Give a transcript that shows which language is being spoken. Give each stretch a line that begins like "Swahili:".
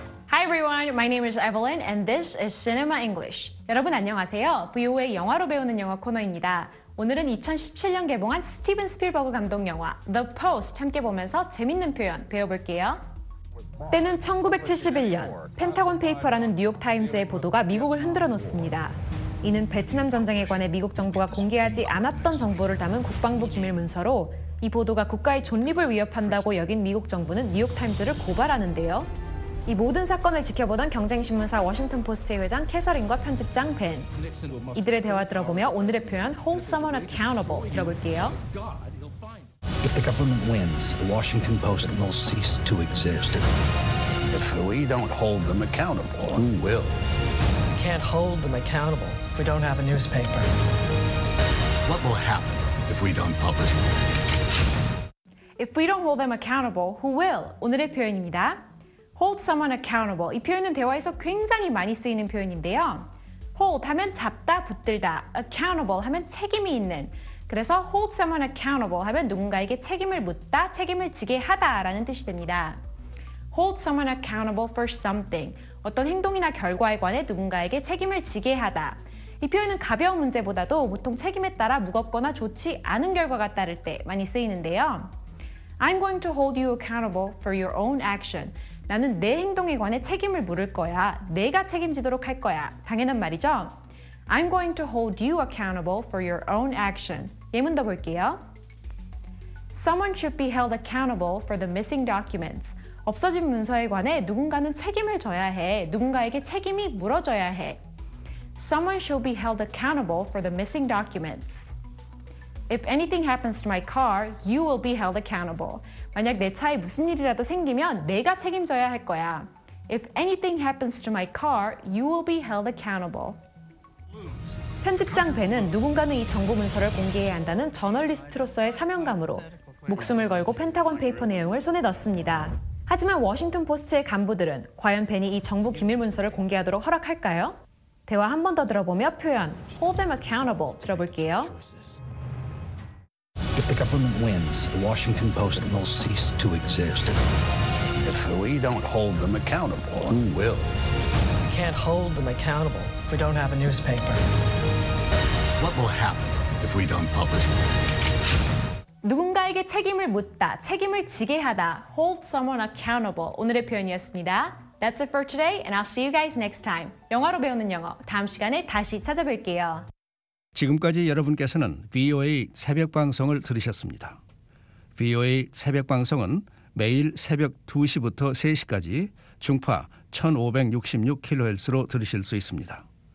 English: Hi everyone, my name is Evelyn and this is Cinema English.
Korean: 여러분 안녕하세요. VOA 영화로 배우는 영어 코너입니다. 오늘은 2017년 개봉한 스티븐 스필버그 감독 영화 The Post 함께 보면서 재밌는 표현 배워볼게요. 때는 1971년, 펜타곤 페이퍼라는 뉴욕타임스의 보도가 미국을 흔들어 놓습니다. 이는 베트남 전쟁에 관해 미국 정부가 공개하지 않았던 정보를 담은 국방부 기밀 문서로 이 보도가 국가의 존립을 위협한다고 여긴 미국 정부는 뉴욕타임스를 고발하는데요. 이 모든 사건을 지켜보던 경쟁신문사 워싱턴포스트의 회장 캐서린과 편집장 벤. 이들의 대화 들어보며 오늘의 표현
English: Hold someone accountable
Korean: 들어볼게요.
English: If the government wins, the Washington Post will cease to exist. If we don't hold them accountable, who will? We can't hold them accountable if we don't have a newspaper. What will happen if we don't publish? If we don't hold them accountable, who will?
Korean: 오늘의 표현입니다.
English: Hold someone accountable.
Korean: 이 표현은 대화에서 굉장히 많이 쓰이는 표현인데요. Hold 하면 잡다, 붙들다. Accountable 하면 책임이 있는. 그래서
English: hold someone accountable
Korean: 하면 누군가에게 책임을 묻다, 책임을 지게 하다 라는 뜻이 됩니다.
English: Hold someone accountable for something.
Korean: 어떤 행동이나 결과에 관해 누군가에게 책임을 지게 하다. 이 표현은 가벼운 문제보다도 보통 책임에 따라 무겁거나 좋지 않은 결과가 따를 때 많이 쓰이는데요.
English: I'm going to hold you accountable for your own action.
Korean: 나는 내 행동에 관해 책임을 물을 거야. 내가 책임지도록 할 거야. 당연한 말이죠.
English: I'm going to hold you accountable for your own action.
Korean: 예문 더 볼게요.
English: Someone should be held accountable for the missing documents.
Korean: 없어진 문서에 관해 누군가는 책임을 져야 해. 누군가에게 책임이 물어져야 해.
English: Someone should be held accountable for the missing documents. If anything happens to my car, you will be held accountable.
Korean: 만약 내 차에 무슨 일이라도 생기면 내가 책임져야 할 거야.
English: If anything happens to my car, you will be held accountable.
Korean: 편집장 벤은 누군가는 이 정보 문서를 공개해야 한다는 저널리스트로서의 사명감으로 목숨을 걸고 펜타곤 페이퍼 내용을 손에 넣습니다. 하지만 워싱턴 포스트의 간부들은 과연 벤이 이 정부 기밀 문서를 공개하도록 허락할까요? 대화 한 번 더 들어보며 표현
English: Hold them accountable
Korean: 들어볼게요.
English: If the government wins, the Washington Post will cease to exist. If we don't hold them accountable, who will? We can't hold them accountable if we don't have a newspaper. What will happen if we don't publish?
Korean: 누군가에게 책임을 묻다, 책임을 지게 하다.
English: Hold someone accountable.
Korean: 오늘의 표현이었습니다.
English: That's it for today, and I'll see you guys next time.
Korean: 영어로 배우는 영어, 다음 시간에 다시 찾아뵐게요. 지금까지 여러분께서는 VOA 새벽 방송을 들으셨습니다. VOA 새벽 방송은 매일 새벽 2시부터 3시까지 중파 1566kHz로 들으실 수 있습니다.